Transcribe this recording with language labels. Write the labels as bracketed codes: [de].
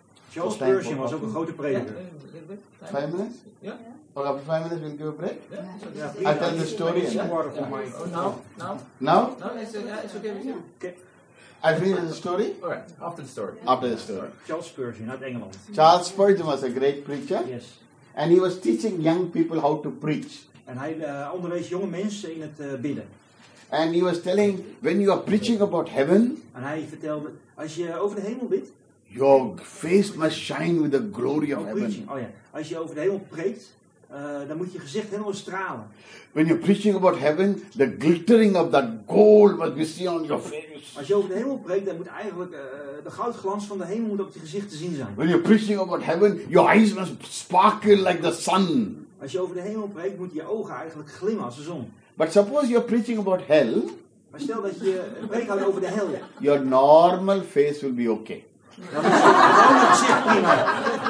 [nl] Charles Spurgeon was ook een grote prediker. [en] 5 minutes? Yeah. Or after 5 minutes we'll give a break? Yeah. I'll tell the story. Yeah. Now? No? No, it's okay with you. Okay. I finish the story? All right, after the story. After the story. Charles Spurgeon, not England. Charles Spurgeon was a great preacher. Yes. And he was teaching young people how to preach. [nl] En hij onderwees jonge mensen in het bidden. [en] And he was telling, when you are preaching about heaven. [nl] En hij vertelde, als je over de hemel bidt. [en] Your face must shine with the glory of heaven. [nl] Oh ja, als je over de hemel preekt. Dan moet je gezicht helemaal stralen. [en] When you're preaching about heaven, the glittering of that gold must be seen on your face. [nl] Als je over de hemel preekt, dan moet eigenlijk de goudglans van de hemel moet op je gezicht te zien zijn. [en] When you're preaching about heaven, your eyes must sparkle like the sun. [nl] Als je over de hemel preekt, moet je ogen eigenlijk glimmen als de zon. [en] But suppose you're preaching about hell. [nl] Maar stel dat je preek houdt over de hel. [en] Your normal face will be okay. [nl] Dan is je gezicht prima.